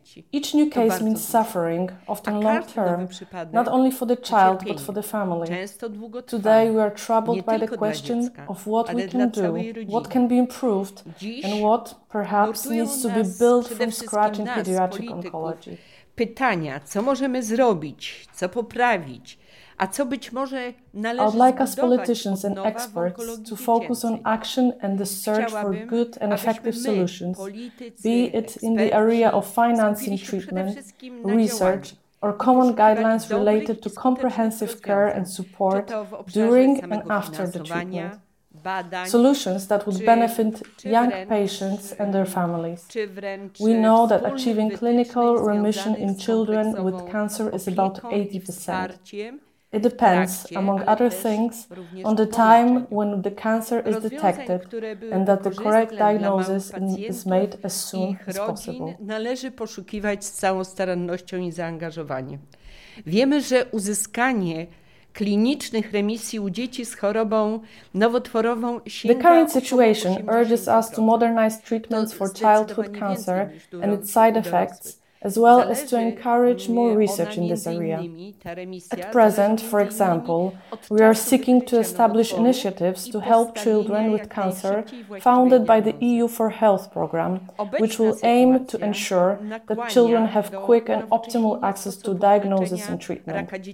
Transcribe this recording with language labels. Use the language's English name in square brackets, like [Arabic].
[English] Each new case means suffering, often long-term, not only for the child, but for the family. Today we are troubled by the question of what we can do, what can be improved, and what, perhaps, needs to be built from scratch in pediatric oncology. [Polish] Pytania, co możemy zrobić, co poprawić? [English] I'd like us politicians and experts to focus on action and the search for good and effective solutions, be it in the area of financing treatment, research, or common guidelines related to comprehensive care and support during and after the treatment. Solutions that would benefit young patients and their families. We know that achieving clinical remission in children with cancer is about 80%. It depends, among other things, on the time when the cancer is detected and that the correct diagnosis is made as soon as possible. [Polish] Należy poszukiwać z całą starannością i zaangażowaniem. Wiemy, że uzyskanie klinicznych remisji u dzieci z chorobą nowotworową sięga. [English] The current situation urges us to modernize treatments for childhood cancer and its side effects, as well as to encourage more research in this area. At present, for example, we are seeking to establish initiatives to help children with cancer founded by the EU for Health program, which will aim to ensure that children have quick and optimal access to diagnosis and treatment.